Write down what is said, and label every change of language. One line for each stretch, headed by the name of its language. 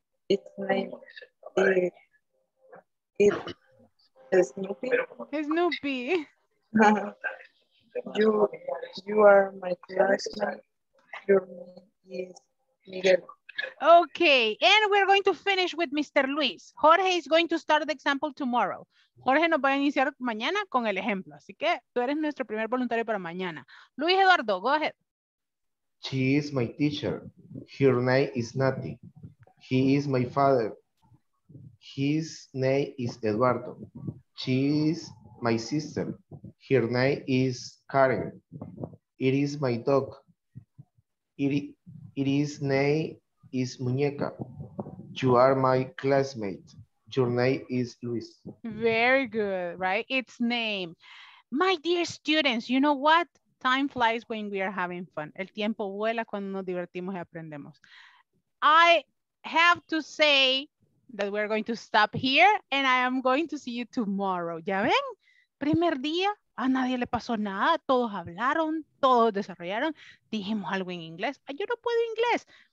English: Its name is Snoopy. Snoopy. You are my classmate. Your name is Miguel. Okay, and we're going to finish with Mr. Luis. Jorge is going to start the example tomorrow.
Spanish: Jorge nos va a iniciar mañana con el ejemplo. Así que tú eres nuestro primer voluntario para mañana.
English: Luis Eduardo, go ahead. She is my teacher. Her name is Nati. He is my father. His name is Eduardo. She is my sister. Her name is Karen. It is my dog. It is name is Muñeca. You are my classmate. Your name is Luis. Very good, right? It's name. My dear students, you know what? Time flies when we are having fun.
Spanish: El tiempo vuela cuando nos divertimos y aprendemos.
English: I have to say that we're going to stop here and I am going to see you tomorrow.
Spanish: ¿Ya ven? Primer día, a nadie le pasó nada, todos hablaron, todos desarrollaron, dijimos algo en inglés, yo no puedo inglés.